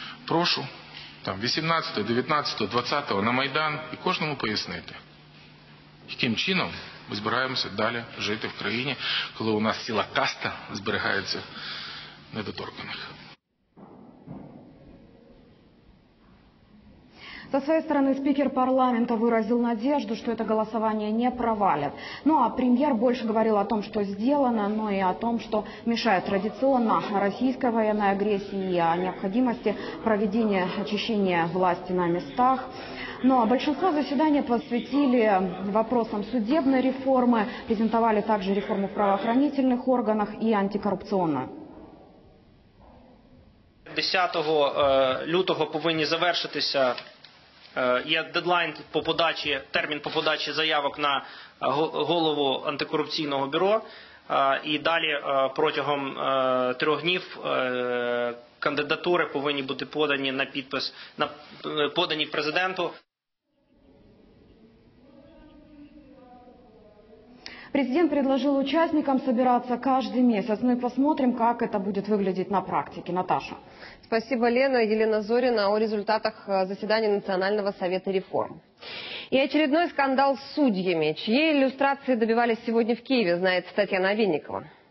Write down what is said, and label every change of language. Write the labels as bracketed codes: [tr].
[uk] Прошу там 18, 19, 20 на Майдан і кожному пояснити, яким чином ми збираємося далі жити в країні, коли у нас ціла каста зберігається недоторканих. [ru] Со своей стороны, спикер парламента выразил надежду, что это голосование не провалят. Ну а премьер больше говорил о том, что сделано, но и о том, что мешает традиционно российской военной агрессии и о необходимости проведения очищения власти на местах. Ну а большинство заседания посвятили вопросам судебной реформы, презентовали также реформу в правоохранительных органах и антикоррупционную. [uk] 10 лютого повинні завершитися. Є дедлайн по подачі, термін по подачі заявок на голову антикорупційного бюро. І далі протягом 3 днів кандидатури повинні бути подані на підпис, подані президенту. [ru] Президент предложил участникам собираться каждый месяц. Ну и посмотрим, как это будет выглядеть на практике. Наташа. Спасибо, Лена. Елена Зорина о результатах заседания Национального совета реформ. И очередной скандал с судьями. Чьей иллюстрации добивались сегодня в Киеве, знает Татьяна Винникова.